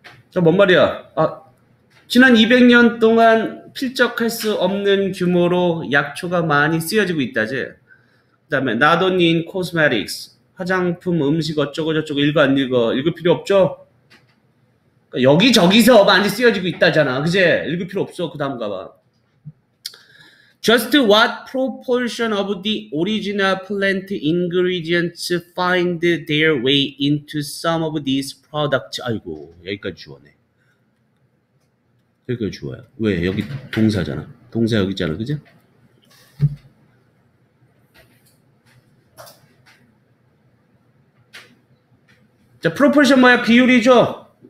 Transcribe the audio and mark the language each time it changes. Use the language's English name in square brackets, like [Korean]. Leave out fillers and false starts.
[Korean] 저 뭔 말이야? 아, 지난 200년 동안 필적할 수 없는 규모로 약초가 많이 쓰여지고 있다지. 그 다음에 [English] not only in cosmetics. [Korean] 화장품, 음식 어쩌고저쩌고. 읽어 안 읽어? 읽을 필요 없죠? 그러니까 여기저기서 많이 쓰여지고 있다잖아. 그제? 읽을 필요 없어. 그 다음 가봐. [English] Just what proportion of the original plant ingredients find their way into some of these products? [Korean] 아이고, 여기까지 주어네. 여기까지 주어요. 왜? 여기 동사잖아. 동사 여기 있잖아. 그제? 자, 프로포션 뭐야? 비율이죠?